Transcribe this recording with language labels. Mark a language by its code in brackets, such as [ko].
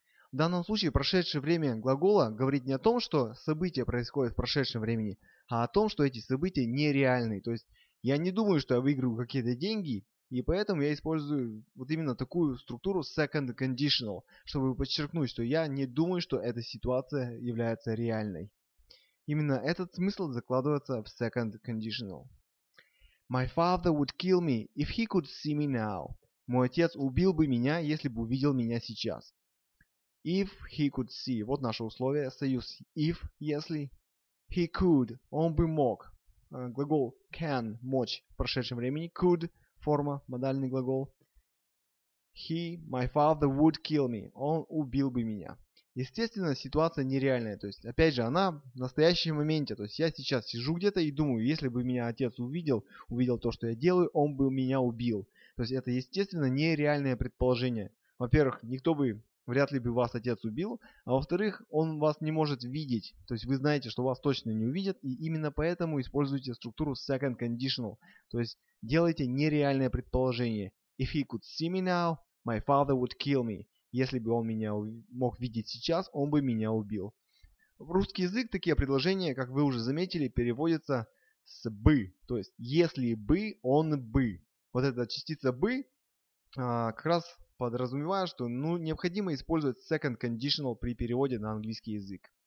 [ru] В данном случае прошедшее время глагола говорит не о том, что события происходят в прошедшем времени, а о том, что эти события нереальны. То есть я не думаю, что я выиграю какие-то деньги, и поэтому я использую вот именно такую структуру second conditional, чтобы подчеркнуть, что я не думаю, что эта ситуация является реальной. Именно этот смысл закладывается в second conditional. [en] My father would kill me if he could see me now. [ru] Мой отец убил бы меня, если бы увидел меня сейчас. [en] If he could see. [ru] Вот наше условие. Союз if, если. [en] He could. [ru] Он бы мог. Глагол can. Мочь в прошедшем времени. [en] Could. [ru] Форма, модальный глагол. [en] He, my father would kill me. [ru] Он убил бы меня. Естественно, ситуация нереальная. То есть, опять же, она в настоящем моменте. То есть, я сейчас сижу где-то и думаю, если бы меня отец увидел то, что я делаю, он бы меня убил. То есть, это, естественно, нереальное предположение. Во-первых, никто бы, вряд ли бы вас отец убил. А во-вторых, он вас не может видеть. То есть, вы знаете, что вас точно не увидят. И именно поэтому используйте структуру second conditional. То есть, делайте нереальное предположение. [en] If he could see me now, my father would kill me. [ru] Если бы он меня мог видеть сейчас, он бы меня убил. В русский язык такие предложения, как вы уже заметили, переводятся с бы. То есть, если бы, он бы. Вот эта частица бы как раз подразумевает, что необходимо использовать second conditional при переводе на английский язык.